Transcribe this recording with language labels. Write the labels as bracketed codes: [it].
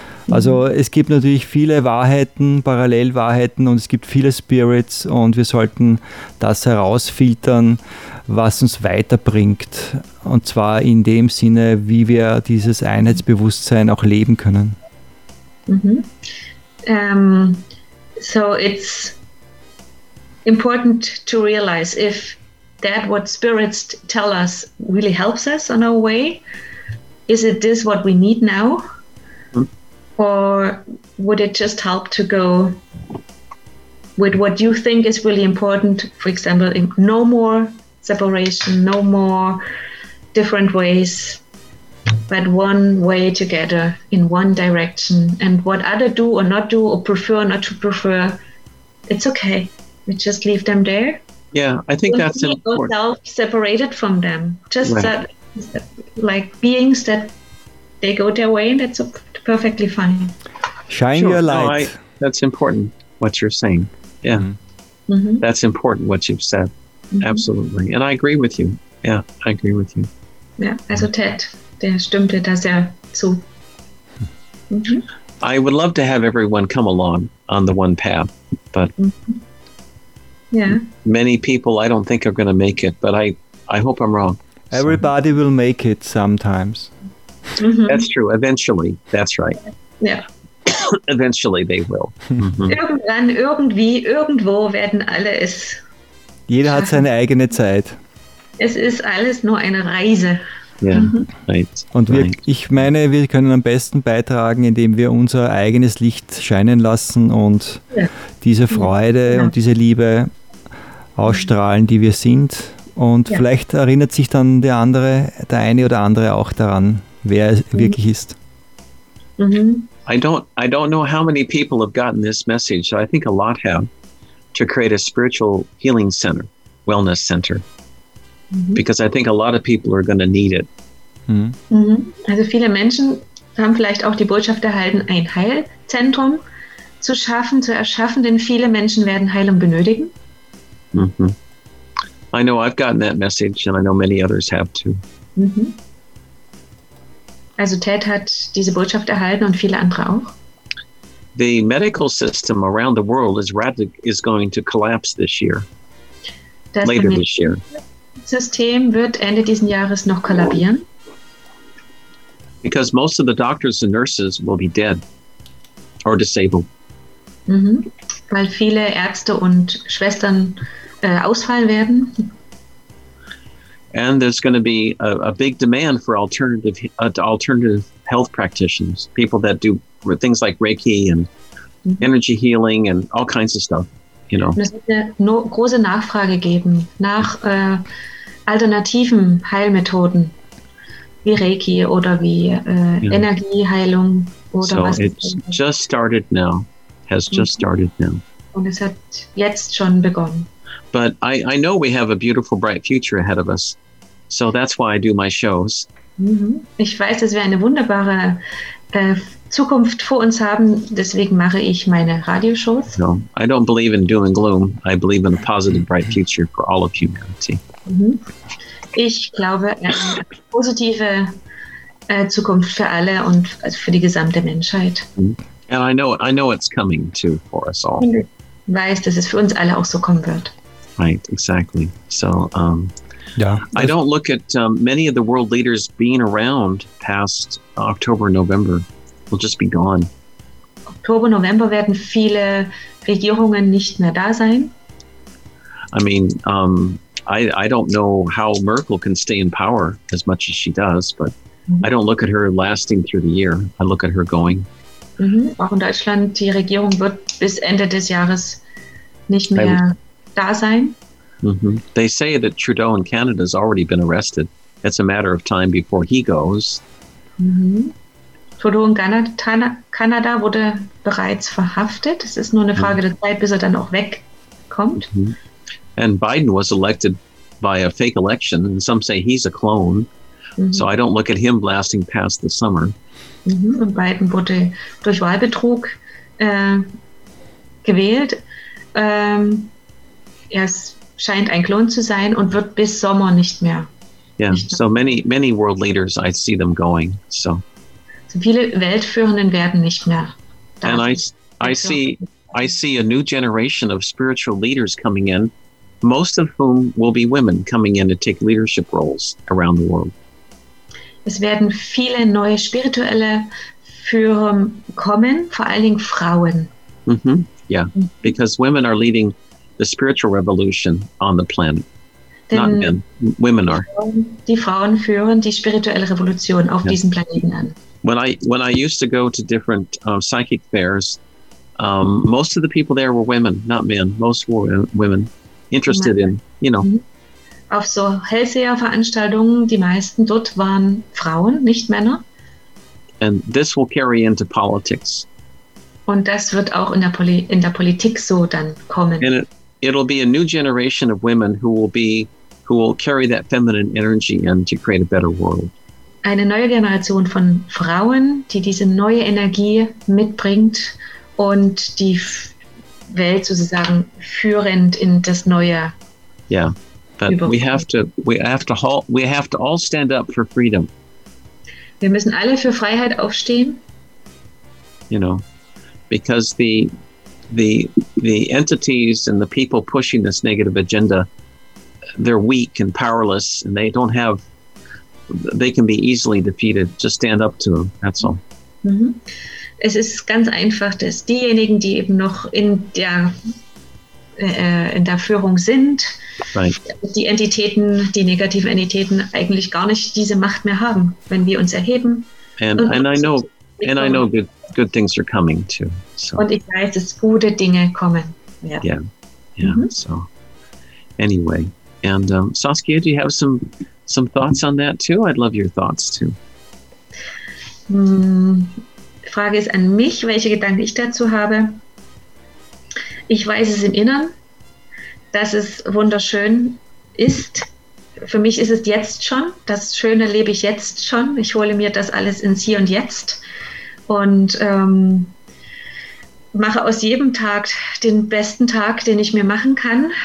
[de] Also es gibt natürlich viele Wahrheiten, Parallelwahrheiten und es gibt viele Spirits und wir sollten das herausfiltern, was uns weiterbringt. Und zwar in dem Sinne, wie wir dieses Einheitsbewusstsein auch leben können. Mm-hmm. [en] So it's important to realize if that what spirits tell us really helps us on our way, is it this what we need now, or would it just help to go with what you think is really important, for example, in no more separation, no more different ways, but one way together in one direction. And what other do or not do or prefer or not to prefer, it's okay. We just leave them there. Yeah, I think that's important. Don't be yourself separated from them. Just right. That, like beings that they go their way, and that's perfectly fine. Shine your light. That's important what you're saying. Yeah. Mm-hmm. That's important what you've said. Mm-hmm. Absolutely. And I agree with you. Yeah, I agree with you. [de] Yeah, also Ted, der stimmte da sehr zu. [en] I would love to have everyone come along on the one path, but mm-hmm. Yeah. Many people I don't think are going to make it, but I hope I'm wrong. Everybody will make it sometimes. Mm-hmm. That's true. Eventually. That's right. Yeah. Eventually they will. [de] Mm-hmm. Irgendwann, irgendwie, irgendwo werden alle es. Jeder hat seine eigene Zeit. Es ist alles nur eine Reise. Ja, yeah, mhm. Right. Und wir, [en] right. [de] Ich meine, wir können am besten beitragen, indem wir unser eigenes Licht scheinen lassen und diese Freude und diese Liebe ausstrahlen, die wir sind. Und vielleicht erinnert sich dann der andere, der eine oder andere auch daran, wer es wirklich ist. Mhm. [en] I don't know how many people have gotten this message. So I think a lot have. To create a spiritual healing center, wellness center. Mm-hmm. Because I think a lot of people are going to need it. Mm-hmm. Mm-hmm. [de] Also viele Menschen haben vielleicht auch die Botschaft erhalten, ein Heilzentrum zu schaffen, zu erschaffen, denn viele Menschen werden Heilung benötigen. Mm-hmm. [en] I know I've gotten that message and I know many others have too. Mm-hmm. [de] Also Ted hat diese Botschaft erhalten und viele andere auch. [en] The medical system around the world is going to collapse this year. [de] Das [en] later this year. [de] System wird Ende diesen Jahres noch kollabieren. [en] Because most of the doctors and nurses will be dead or disabled. [de] Mhm. Weil viele Ärzte und Schwestern ausfallen werden. [en] And there's going to be a big demand for alternative health practitioners, people that do with things like Reiki and energy healing and all kinds of stuff, you know. [de] Es wird eine große Nachfrage geben nach alternativen Heilmethoden wie Reiki oder wie Energieheilung oder so was. [en] So it's just started now. Has just started now. [de] Und es hat jetzt schon begonnen. [en] But I know we have a beautiful, bright future ahead of us. So that's why I do my shows. Mm-hmm. [de] Ich weiß, dass wir eine wunderbare Zukunft vor uns haben, deswegen mache ich meine Radioshows. [en] No, I don't believe in doom and gloom. I believe in a positive, bright future for all of humanity. Mm-hmm. [de] Ich glaube an eine positive Zukunft für alle und für die gesamte Menschheit. Mm-hmm. [en] And I know it's coming too for us all. [de] Ich weiß, dass es für uns alle auch so kommen wird. [en] Right, exactly. So, yeah, I don't look at many of the world leaders being around past October, November. Will just be gone. [de] Oktober, November werden viele Regierungen nicht mehr da sein. [en] I mean, I don't know how Merkel can stay in power as much as she does, but I don't look at her lasting through the year. I look at her going. Mm-hmm. [de] Auch in Deutschland, die Regierung wird bis Ende des Jahres nicht mehr da sein. Mm-hmm. [en] They say that Trudeau in Canada has already been arrested. It's a matter of time before he goes. [de] Mm-hmm. Trudeau in Kanada wurde bereits verhaftet. Es ist nur eine Frage der Zeit, bis er dann auch wegkommt. Mm-hmm. [en] And Biden was elected by a fake election. And some say he's a clone. Mm-hmm. So I don't look at him blasting past the summer. [de] Mm-hmm. Und Biden wurde durch Wahlbetrug gewählt. Er scheint ein Klon zu sein und wird bis Sommer nicht mehr. [en] Yeah, so many, many world leaders, I see them going, so. [de] Viele Weltführenden werden nicht mehr da. [en] And I see a new generation of spiritual leaders coming in, most of whom will be women coming in to take leadership roles around the world. [de] Es werden viele neue spirituelle Führer kommen, vor allen Dingen Frauen. Mm-hmm. [en] Yeah, because women are leading the spiritual revolution on the planet. [de] Denn [en] not men, women are. [de] Die Frauen führen die spirituelle Revolution auf diesem Planeten an. [en] When I used to go to different psychic fairs, most of the people there were women, not men. Most were women interested in, you know. [de] auf so Hellseher-Veranstaltungen, die meisten dort waren Frauen, nicht Männer. [en] And this will carry into politics. [de] Und das wird auch in der, Politik so dann kommen. [en] And it'll be a new generation of women who will carry that feminine energy in to create a better world. [de] Eine neue Generation von Frauen, die diese neue Energie mitbringt und die Welt sozusagen führend in das Neue. [en] Yeah, but we have to all stand up for freedom. [de] Wir müssen alle für Freiheit aufstehen. [en] You know, because the entities and the people pushing this negative agenda, they're weak and powerless and they don't have, they can be easily defeated. Just stand up to them, that's all. [de] Es ist ganz einfach, dass diejenigen, die eben noch in der Führung sind, [en] right, [de] die Entitäten, die negativen Entitäten, eigentlich gar nicht diese Macht mehr haben, wenn wir uns erheben. [en] And I know good things are coming too. So. [de] Und ich weiß, dass gute Dinge kommen. [en] Yeah. So anyway, and Saskia, do you have some thoughts on that too? I'd love your thoughts too. [de] Frage ist an mich, welche Gedanken ich dazu habe. Ich weiß es im Innern, dass es wunderschön ist. Für mich ist es jetzt schon. Das Schöne lebe ich jetzt schon. Ich hole mir das alles ins Hier und Jetzt und mache aus jedem Tag den besten Tag, den ich mir machen kann.